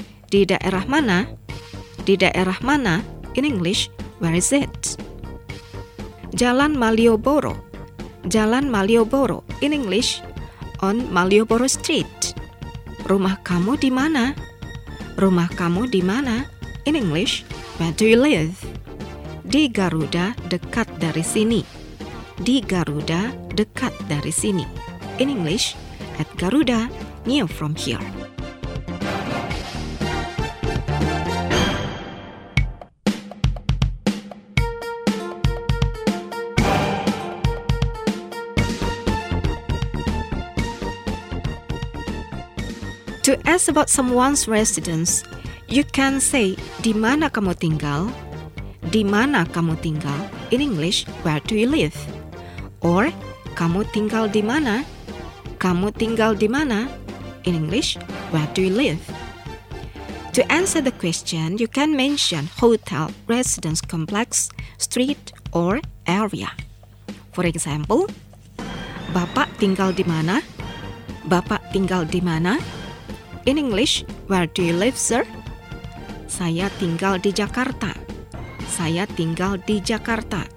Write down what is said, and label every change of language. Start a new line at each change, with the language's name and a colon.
Indonesian: Di daerah mana? Di daerah mana?
English: In English, where is it?
Indonesian: Jalan Malioboro. Jalan Malioboro.
English: In English, on Malioboro Street.
Indonesian: Rumah kamu di mana? Rumah kamu di mana?
English: In English, where do you live?
Indonesian: Di Garuda, dekat dari sini. Di Garuda, dekat dari sini.
English: In English, at Garuda, near from here. To ask about someone's residence, you can say,
Indonesian: di mana kamu tinggal? Di mana kamu tinggal?
English: In English, where do you live?
Indonesian: Or, kamu tinggal di mana? Kamu tinggal di mana?
English: In English, where do you live? To answer the question, you can mention hotel, residence complex, street, or area. For example,
Indonesian: Bapak tinggal di mana? Bapak tinggal di mana?
English: In English, where do you live, sir?
Indonesian: Saya tinggal di Jakarta. Saya tinggal di Jakarta.